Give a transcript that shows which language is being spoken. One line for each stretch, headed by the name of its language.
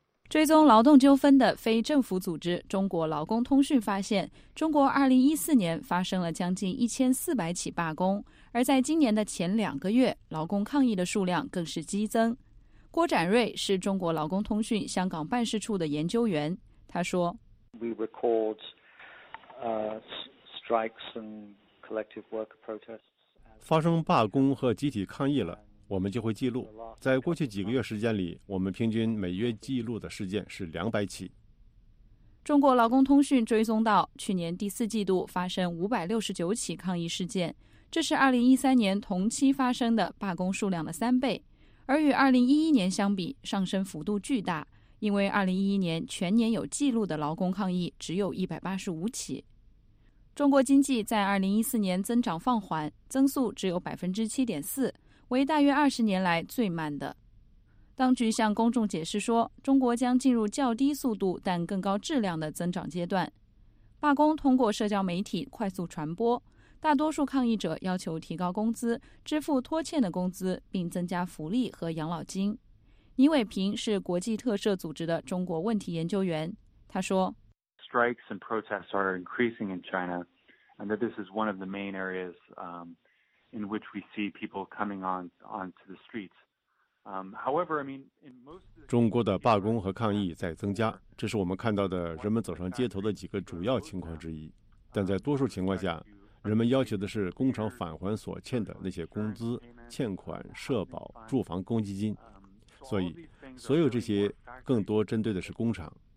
Chinese: 追踪劳动纠纷的非政府组织中国劳工通讯发现，中国2014年发生了将近1400起罢工，而在今年的前2个月，劳工抗议的数量更是激增。郭展瑞是中国劳工通讯香港办事处的研究员，他说
English: We record strikes and collective work protests.
Chinese: 发生罢工和集体抗议了，我们就会记录。在过去几个月时间里，我们平均每月记录的事件是200起。中国劳工通讯追踪到，去年第四季度发生569起抗议事件，这是2013年同期发生的罢工数量的3倍，而与2011年相比，上升幅度巨大，因为2011年全年有记录的劳工抗议只有185起。中国经济在2014年增长放缓，增速只有 7.4%， 为大约20年来最慢的。当局向公众解释说，中国将进入较低速度但更高质量的增长阶段。罢工通过社交媒体快速传播，大多数抗议者要求提高工资、支付拖欠的工资，并增加福利和养老金。倪伟平是国际特赦组织的中国问题研究员，他说
English: Strikes and protests are increasing in China, and that this is one of the main areas in which we see people coming onto the streets. However, I mean, in most
Chinese: 中国的罢工和抗议在增加，这是我们看到的人们走上街头的几个主要情况之一。但在多数情况下，人们要求的是工厂返还所欠的那些工资、欠款、社保、住房公积金。所以，所有这些更多针对的是工厂。